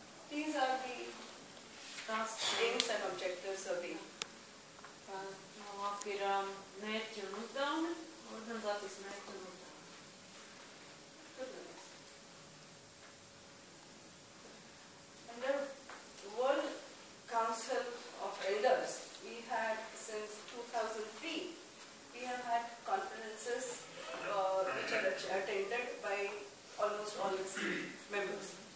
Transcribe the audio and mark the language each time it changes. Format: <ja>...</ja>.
<en>These are the tasks, aims and objectives of the</en> <lv>Tālāk ir mērķi un uzdevumi, organizācijas mērķi un uzdevumi.</lv> <en>And the World Council of Elders, we had since 2003, we have had conferences which are attended by almost all its members.</en>